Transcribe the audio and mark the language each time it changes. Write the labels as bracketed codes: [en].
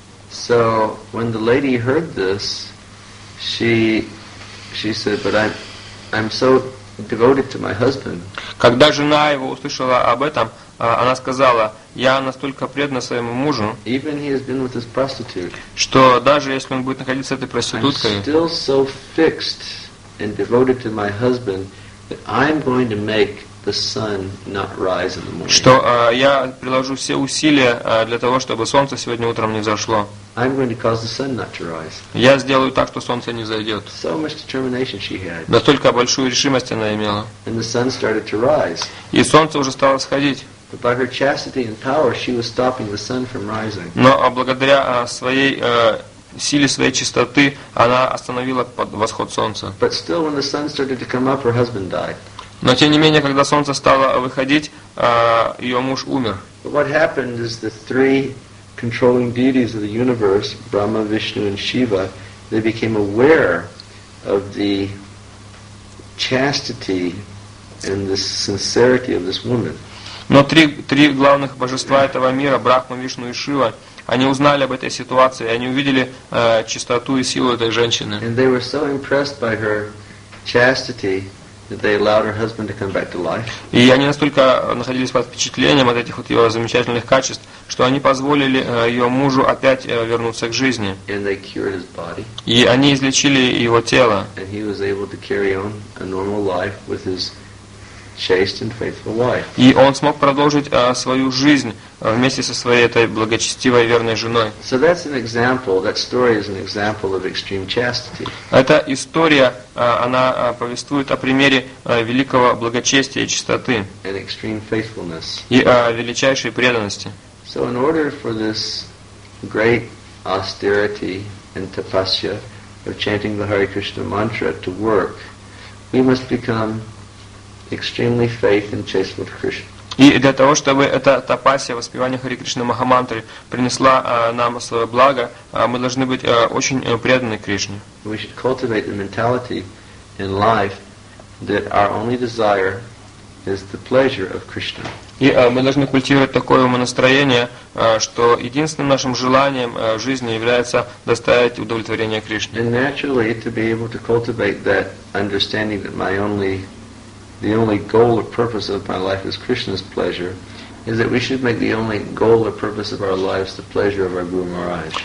[en] So when the lady heard this, she said, "But I'm so devoted to my husband." [ru] Когда жена его услышала об этом, она сказала: "Я настолько предана своему мужу, [en] even he has been with his prostitute, [ru] что даже если он будет находиться с этой проституткой, [en] I'm still so fixed and devoted to my husband that I'm going to make the sun not rise in the morning." [ru] Что я приложу все усилия для того, чтобы солнце сегодня утром не взошло. [en] I'm going to cause the sun not to rise. [ru] Я сделаю так, что солнце не зайдет. [en] So much determination she had. [ru] Настолько большую решимость она имела. [en] And the sun started to rise. [ru] И солнце уже стало сходить. [en] But by her chastity and power, she was stopping the sun from rising. [ru] Но благодаря своей силе, своей чистоты, она остановила восход солнца. [en] But still, when the sun started to come up, her husband died. [ru] Но тем не менее, когда солнце стало выходить, ее муж умер. [en] But what happened is the three controlling deities of the universe, Brahma, Vishnu, and Shiva, they became aware of the chastity and the sincerity of this woman. [ru] Но три главных божества этого мира, Брахма, Вишну и Шива, они узнали об этой ситуации, они увидели чистоту и силу этой женщины. [en] And they were so impressed by her chastity that they allowed her husband to come back to life. [ru] И они настолько находились под впечатлением от этих вот ее замечательных качеств, что они позволили ее мужу опять вернуться к жизни. [en] And they cured his body. [ru] И они излечили его тело. [en] And he was able to carry on a normal life with his chaste and faithful wife. [ru] И он смог продолжить свою жизнь вместе со своей этой благочестивой верной женой. [en] So that's an example. That story is an example of extreme chastity. [ru] Эта история, она повествует о примере великого благочестия и чистоты. [en] And extreme faithfulness. [ru] И о величайшей преданности. [en] So in order for this great austerity and tapasya of chanting the Hare Krishna mantra to work, we must become extremely faith and chaste with Krishna. [ru] И для того, чтобы эта тапасья, воспевание Хари Кришны Махамантры, принесла нам свое благо, мы должны быть очень преданы Кришне. [en] We should cultivate the mentality in life that our only desire is the pleasure of Krishna. [ru] И мы должны культивировать такое умонастроение, что единственным нашим желанием в жизни является доставить удовлетворение Кришне. [en] And naturally, to be able to cultivate that understanding that my only the only goal or purpose of my life is Krishna's pleasure, is that we should make the only goal or purpose of our lives the pleasure of our Guru Maharaj.